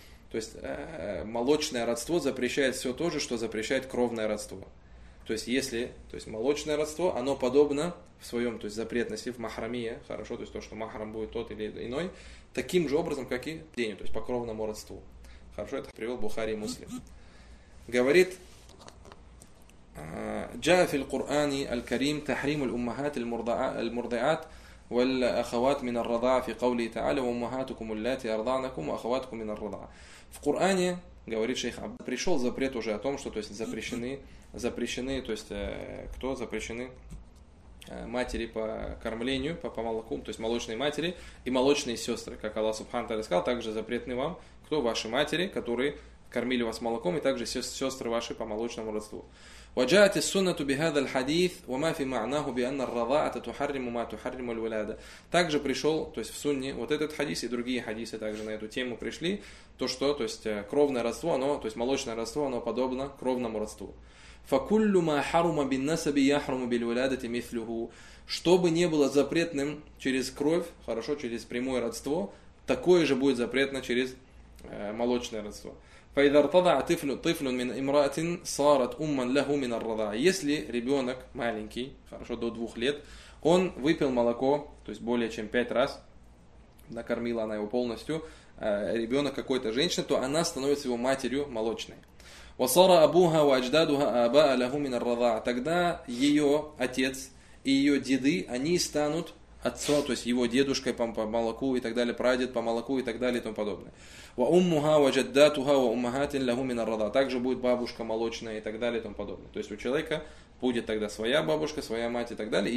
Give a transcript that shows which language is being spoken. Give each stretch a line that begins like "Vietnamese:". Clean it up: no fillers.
Russian: То есть молочное родство запрещает все то же, что запрещает кровное родство. То есть, если, то есть молочное родство, оно подобно в своем, то есть запретности, в махрамии, хорошо, то есть то, что махрам будет тот или иной, таким же образом, как и день, то есть по кровному родству. Хорошо, это привел Бухари и Муслим.
Arabic: Говорит, جاء في القرآن الكريم تحريم الأمهات المرضعات والأخوات من الرضاعة في قوله تعالى وأمهاتكم اللاتي أرضعنكم وأخواتكم من الرضاعة.
Russian: В Коране, говорит шейх, пришел запрет уже о том, что, то есть, запрещены, то есть кто запрещены матери по кормлению, по молоку, то есть молочные матери и молочные сестры, как Аллах Субхану Тааля сказал, также запретны вам, кто ваши матери, которые кормили вас молоком, и также сестры ваши по молочному родству.
Arabic: وجاءت السنة بهذا الحديث وما في معناه بأن الرضاعة تحرم ما تحرم الولادة.
Russian: Также пришел, то есть в сунне, вот этот хадис и другие хадисы также на эту тему пришли, то что, то есть кровное родство, оно, то есть молочное родство, оно подобно кровному родству.
Arabic: فكل ما حرم بالنسب يحرم بالولادة مثله.
Russian: Что бы не было запретным через кровь, хорошо, через прямое родство, такое же будет запретно через молочное родство.
Arabic: فإذا ارتضع طفل من امرأة صارت أما له من الرضاعة.
Russian: Если ребенок маленький, хорошо, до 2 лет, он выпил молоко, то есть более чем 5 раз, накормила она его полностью, ребенок какой-то женщины, то она становится его матерью молочной.
Arabic: وصار أبوها وأجدادها آباء له من الرضاعة.
Russian: Тогда ее отец и ее деды, они станут отцо, то есть его дедушкой по молоку и так далее, прадед по молоку и так далее и тому подобное.
Arabic: Ва уммуха ва джаддатуха ва уммахатин лаху мин ар-рада.
Russian: Также будет бабушка молочная и так далее и тому подобное. То есть у человека будет тогда своя бабушка, своя мать и так далее.